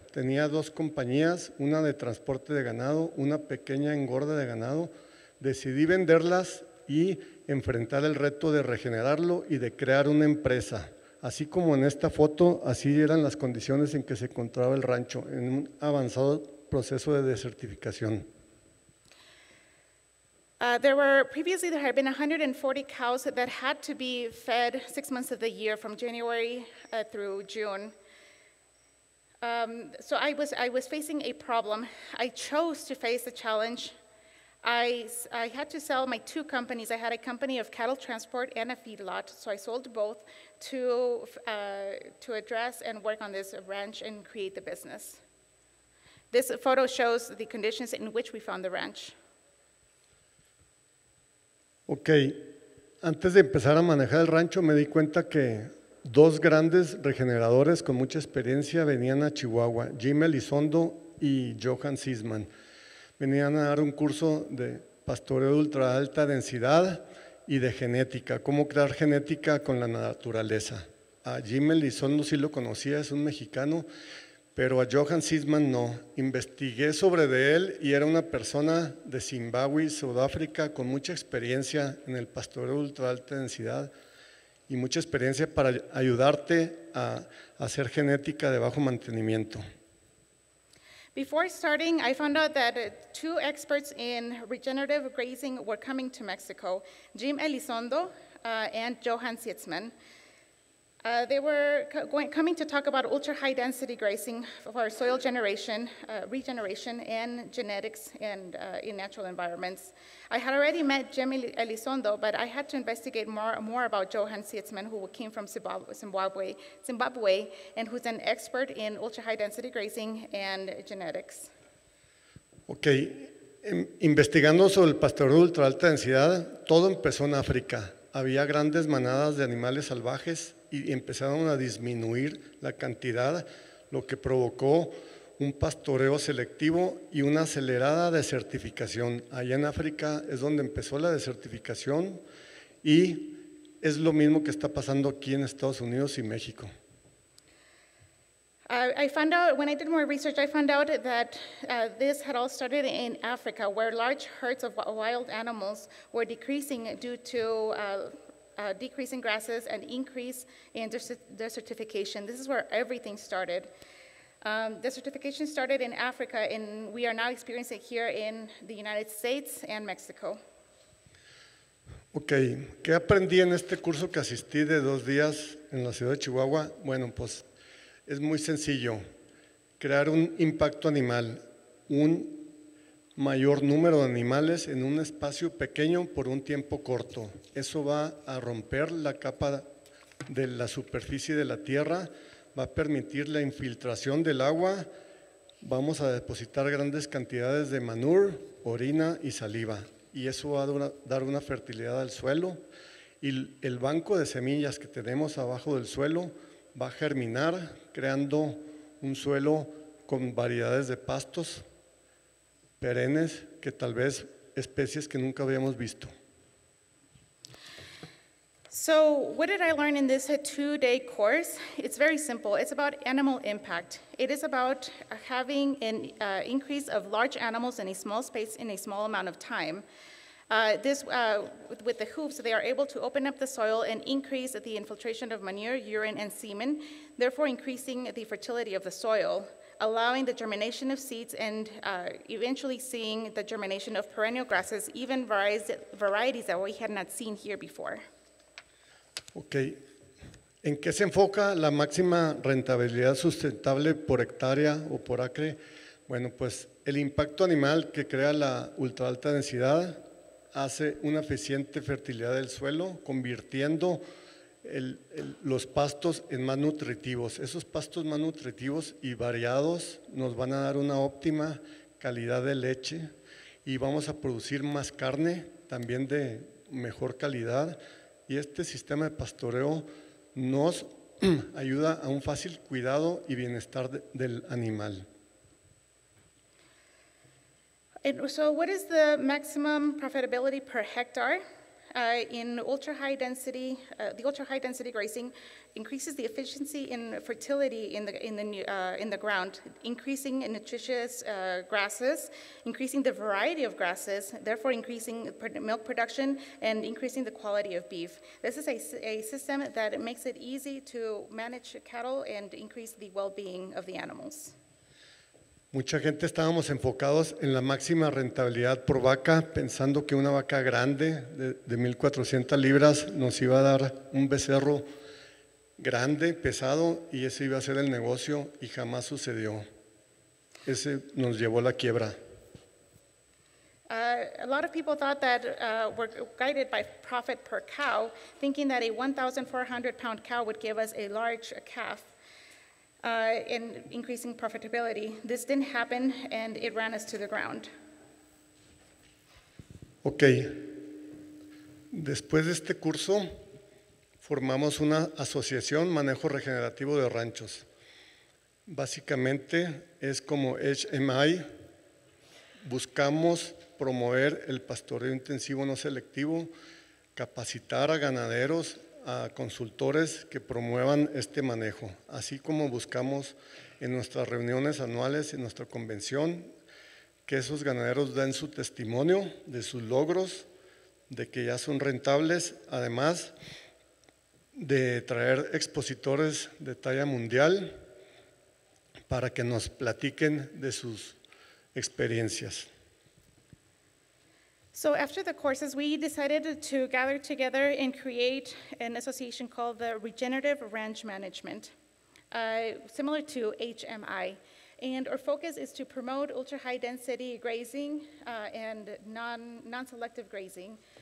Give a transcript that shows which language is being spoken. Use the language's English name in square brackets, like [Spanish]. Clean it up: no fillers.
[Spanish] Tenía dos compañías, una de transporte de ganado, una pequeña engorda de ganado. Decidí venderlas y enfrentar el reto de regenerarlo y de crear una empresa. Así como en esta foto, así eran las condiciones en que se encontraba el rancho, en un avanzado proceso de desertificación. [English] There were previously, there had been 140 cows that had to be fed 6 months of the year from January through June. So I was facing a problem. I chose to face the challenge. I had to sell my two companies. I had a company of cattle transport and a feedlot. So I sold both to address and work on this ranch and create the business. This photo shows the conditions in which we found the ranch. [Spanish] Okay, antes de empezar a manejar el rancho me di cuenta que dos grandes regeneradores con mucha experiencia venían a Chihuahua, Jim Elizondo y Johan Sisman. Venían a dar un curso de pastoreo de ultra alta densidad y de genética, cómo crear genética con la naturaleza. A Jim Elizondo sí lo conocía, es un mexicano, pero a Johan Sisman no. Investigué sobre de él y era una persona de Zimbabue, Sudáfrica, con mucha experiencia en el pastoreo de ultra alta densidad y mucha experiencia para ayudarte a hacer genética de bajo mantenimiento. [English] Before starting, I found out that two experts in regenerative grazing were coming to Mexico, Jim Elizondo and Johan Sisman. They were coming to talk about ultra-high density grazing for soil generation, regeneration, and genetics and in natural environments. I had already met Jim Elizondo, but I had to investigate more about Johan Sisman, who came from Zimbabwe, and who's an expert in ultra-high density grazing and genetics. [Spanish] Okay, investigando sobre el pastoreo de ultra alta densidad, todo empezó en África. Había grandes manadas de animales salvajes y empezaron a disminuir la cantidad, lo que provocó un pastoreo selectivo y una acelerada desertificación. Allá en África es donde empezó la desertificación y es lo mismo que está pasando aquí en Estados Unidos y México. [English] I found out, when I did more research, I found out that this had all started in Africa, where large herds of wild animals were decreasing due to decrease in grasses and increase in desertification. This is where everything started. Desertification started in Africa, and we are now experiencing it here in the United States and Mexico. [Spanish] Okay, ¿qué aprendí en este curso que asistí de 2 días en la ciudad de Chihuahua? Bueno, pues, es muy sencillo, crear un impacto animal, un mayor número de animales en un espacio pequeño por un tiempo corto. Eso va a romper la capa de la superficie de la tierra, va a permitir la infiltración del agua, vamos a depositar grandes cantidades de manure, orina y saliva, y eso va a dar una fertilidad al suelo, y el banco de semillas que tenemos abajo del suelo va a germinar, creando un suelo con variedades de pastos perennes que tal vez especies que nunca habíamos visto. [English] So, what did I learn in this 2-day course? It's very simple. It's about animal impact. It is about having an increase of large animals in a small space in a small amount of time. With the hooves, they are able to open up the soil and increase the infiltration of manure, urine, and semen, therefore increasing the fertility of the soil, allowing the germination of seeds and eventually seeing the germination of perennial grasses, even varieties that we had not seen here before. Okay. [Spanish] ¿En qué se enfoca la máxima rentabilidad sustentable por hectárea o por acre? Bueno, pues el impacto animal que crea la ultra alta densidad hace una eficiente fertilidad del suelo, convirtiendo los pastos en más nutritivos. Esos pastos más nutritivos y variados nos van a dar una óptima calidad de leche y vamos a producir más carne también de mejor calidad. Y este sistema de pastoreo nos ayuda a un fácil cuidado y bienestar del animal. [English] So what is the maximum profitability per hectare? In ultra high density, the ultra high density grazing increases the efficiency and fertility in the ground, increasing nutritious grasses, increasing the variety of grasses, therefore increasing milk production and increasing the quality of beef. This is a system that makes it easy to manage cattle and increase the well-being of the animals. [Spanish] Mucha gente estábamos enfocados en la máxima rentabilidad por vaca, pensando que una vaca grande de 1,400 libras nos iba a dar un becerro grande, pesado, y ese iba a ser el negocio, y jamás sucedió. Ese nos llevó a la quiebra. [English] A lot of people thought that were guided by profit per cow, thinking that a 1,400-pound cow would give us a large calf. In increasing profitability. This didn't happen and it ran us to the ground. Okay. [Spanish] Después de este curso, formamos una asociación, Manejo Regenerativo de Ranchos. Básicamente, es como HMI. Buscamos promover el pastoreo intensivo no selectivo, capacitar a ganaderos, a consultores que promuevan este manejo, así como buscamos en nuestras reuniones anuales, en nuestra convención, que esos ganaderos den su testimonio de sus logros, de que ya son rentables, además de traer expositores de talla mundial para que nos platiquen de sus experiencias. [English] So after the courses, we decided to gather together and create an association called the Regenerative Ranch Management, similar to HMI. And our focus is to promote ultra-high density grazing and non-selective grazing.